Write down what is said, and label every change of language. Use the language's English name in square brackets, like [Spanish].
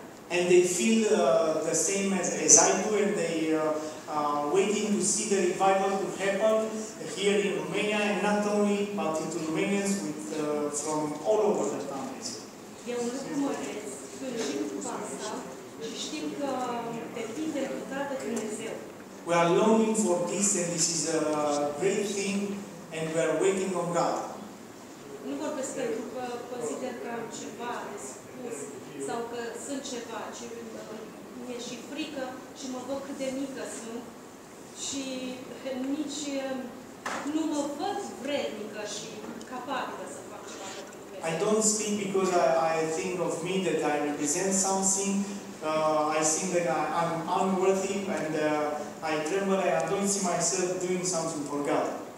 [English] And they feel the same as I do, and they are waiting to see the revival to happen here in Romania, and not only, but into Romanians with, from all over the countries. [Romanian] Eu nu mă urez, sfârșim cu asta și știm că depinde cu toată Dumnezeu. [English] We are longing for this and this is a great thing and we are waiting on God. [Romanian] Nu vorbesc pentru că consider că am ceva de spus sau că sunt ceva, ci mi-e și frică și mă văd cât de mică sunt și nici nu mă văd vrednică și capabilă să. [English] I don't speak because I think of me that I represent something. I think that I'm unworthy and I tremble. I don't see myself doing something for God.